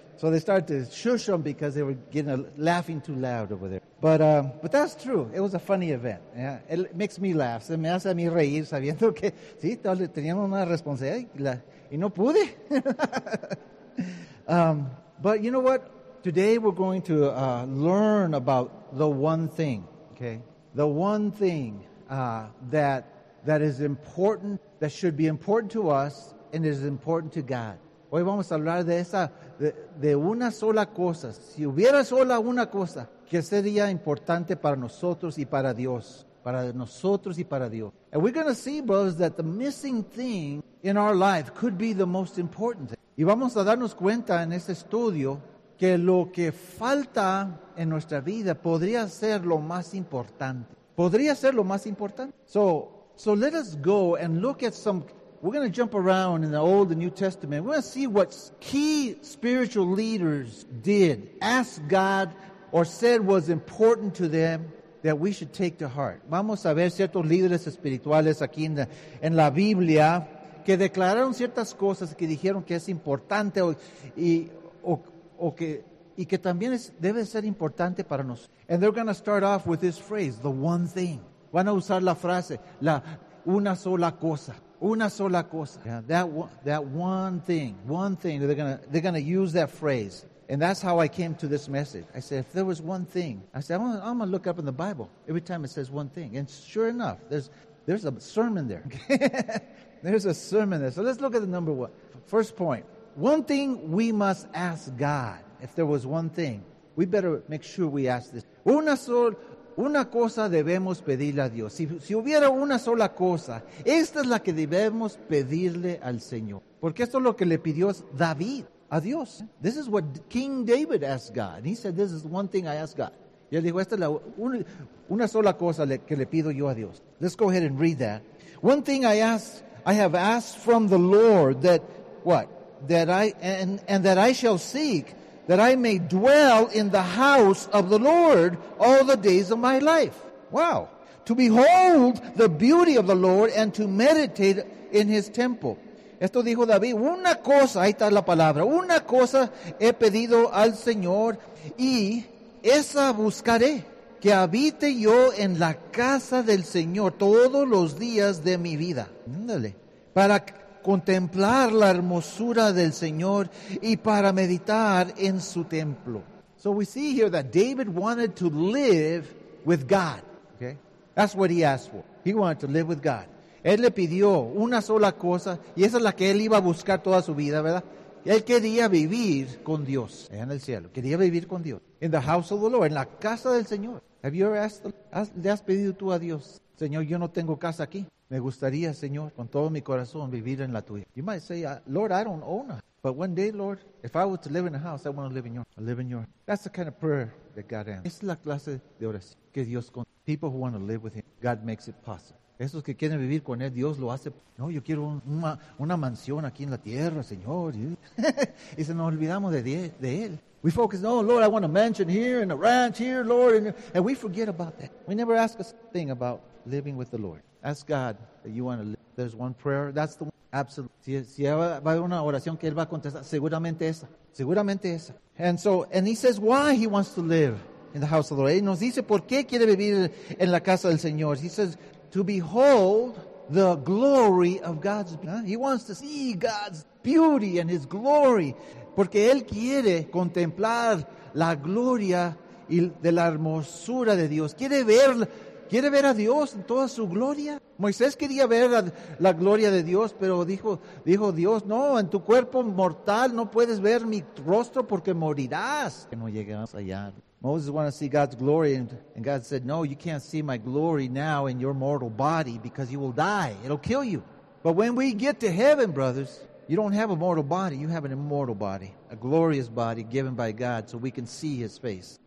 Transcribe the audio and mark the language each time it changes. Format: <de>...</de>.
<en>So they started to shush them because they were getting laughing too loud over there. But that's true. It was a funny event. Yeah? It makes me laugh.</en> <es>Se me hace a mí reír sabiendo que sí, teníamos una responsabilidad y no pude.</es> <en>But you know what? Today we're going to learn about the one thing. Okay, the one thing that is important, that should be important to us, and is important to God.</en> <es>Hoy vamos a hablar de esa, de una sola cosa. Si hubiera sola una cosa, que sería importante para nosotros y para Dios. Para nosotros y para Dios.</es> <en>And we're going to see, brothers, that the missing thing in our life could be the most important thing.</en> <es>Y vamos a darnos cuenta en este estudio que lo que falta en nuestra vida podría ser lo más importante. Podría ser lo más importante.</es> <en>So let us go and look at some... We're going to jump around in the Old and New Testament. We're going to see what key spiritual leaders did, asked God, or said was important to them that we should take to heart.</en> <es>Vamos a ver ciertos líderes espirituales aquí en la Biblia que declararon ciertas cosas que dijeron que es importante y que también debe ser importante para nosotros.</es> <en>And they're going to start off with this phrase, the one thing.</en> <es>Van a usar la frase, la una sola cosa. Una sola cosa.</es> <en>Yeah, that one thing. One thing. They're gonna use that phrase. And that's how I came to this message. I said, if there was one thing. I said, I'm going to look up in the Bible. Every time it says one thing. And sure enough, there's a sermon there. There's a sermon there. So let's look at the number one. First point. One thing we must ask God. If there was one thing. We better make sure we ask this.</en> <es>Una cosa debemos pedirle a Dios. Si hubiera una sola cosa, esta es la que debemos pedirle al Señor. Porque esto es lo que le pidió David a Dios.</es> <en>This is what King David asked God. He said, this is one thing I ask God. Y él dijo, esta es una sola cosa que le pido yo a Dios. Let's go ahead and read that. One thing I have asked from the Lord that I shall seek, that I may dwell in the house of the Lord all the days of my life. Wow. To behold the beauty of the Lord and to meditate in his temple.</en> <es>Esto dijo David. Una cosa, ahí está la palabra. Una cosa he pedido al Señor y esa buscaré. que habite yo en la casa del Señor todos los días de mi vida. Ándale. Para contemplar la hermosura del Señor y para meditar en su templo.</es> <en>So we see here that David wanted to live with God. Okay? That's what he asked for. He wanted to live with God.</en> <es>Él le pidió una sola cosa, y esa es la que él iba a buscar toda su vida, ¿verdad? Él quería vivir con Dios en el cielo. Quería vivir con Dios.</es> <en>In the house of the Lord,</en> <es>en la casa del Señor.</es> <en>Have you ever asked,</en> <es>le has pedido tú a Dios, Señor, yo no tengo casa aquí. Me gustaría, Señor, con todo mi corazón vivir en la tuya.</es> <en>You might say, Lord, I don't own a house. But one day, Lord, if I were to live in a house, I want to live in your house. I live in your house. That's the kind of prayer that God answers.</en> <es>Es la clase de oración que Dios con</es> <en>people who want to live with him, God makes it possible.</en> <es>Esos que quieren vivir con él, Dios lo hace. No, yo quiero una mansión aquí en la tierra, Señor. Y se nos olvidamos de él.</es> <en>We focus, oh, Lord, I want a mansion here and a ranch here, Lord. And we forget about that. We never ask a thing about living with the Lord. Ask God that you want to live. There's one prayer. That's the one. Absolutely.</en> <es>Si va a haber una oración que él va a contestar, seguramente esa. Seguramente esa.</es> <en>And he says why he wants to live in the house of the Lord.</en> <es>Y nos dice por qué quiere vivir en la casa del Señor.</es> <en>He says, to behold the glory of God's beauty. He wants to see God's beauty and his glory.</en> <es>Porque él quiere contemplar la gloria y de la hermosura de Dios. Quiere ver a Dios en toda su gloria. Moisés quería ver la gloria de Dios, pero dijo Dios, no, en tu cuerpo mortal no puedes ver mi rostro porque morirás. Que no llegamos allá.</es> <en>Moses wanted to see God's glory, and God said, no, you can't see my glory now in your mortal body because you will die. It'll kill you. But when we get to heaven, brothers, you don't have a mortal body. You have an immortal body, a glorious body given by God so we can see his face.</en>